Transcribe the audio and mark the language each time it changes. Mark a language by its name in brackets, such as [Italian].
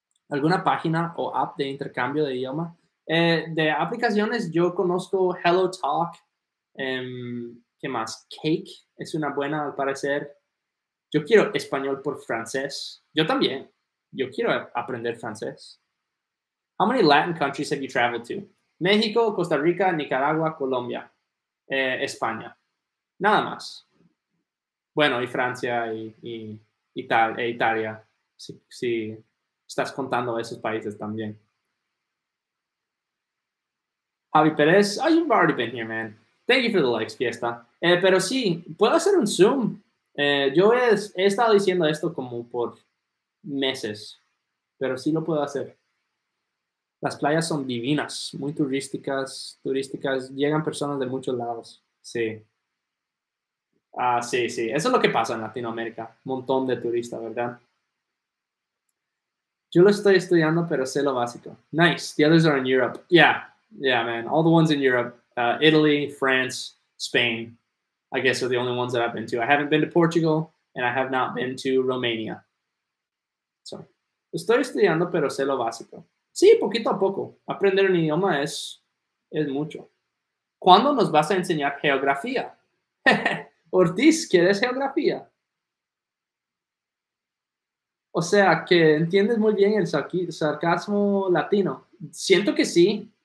[Spanish] ¿Alguna página o app de intercambio de idioma? De aplicaciones, yo conozco HelloTalk. ¿Qué más? Cake es una buena, al parecer. Yo quiero español por francés. Yo también. Yo quiero aprender francés. [English] How many Latin countries have you traveled to? [Spanish] México, Costa Rica, Nicaragua, Colombia, España. Nada más. Bueno, y Francia e Italia. Si estás contando esos países también. [English] Javi Pérez, oh, you've already been here, man. Thank you for the likes, Fiesta. [Spanish] Pero sí, puedo hacer un Zoom. Yo he estado diciendo esto como por meses, pero sí lo puedo hacer. Las playas son divinas, muy turísticas, turísticas, llegan personas de muchos lados. Sí. Ah, sí, eso es lo que pasa en Latinoamérica, montón de turistas, ¿verdad? Yo lo estoy estudiando, pero sé lo básico. [English] Nice, the others are in Europe. Yeah, man, all the ones in Europe. Italy, France, Spain, I guess are the only ones that I've been to. I haven't been to Portugal and I have not been to Romania. [Spanish] So, estoy estudiando, pero sé lo básico. Sí, poquito a poco. Aprender un idioma es mucho. ¿Cuándo nos vas a enseñar geografía? Ortiz, ¿quieres geografía? O sea, que entiendes muy bien el sarcasmo latino. Siento que sí.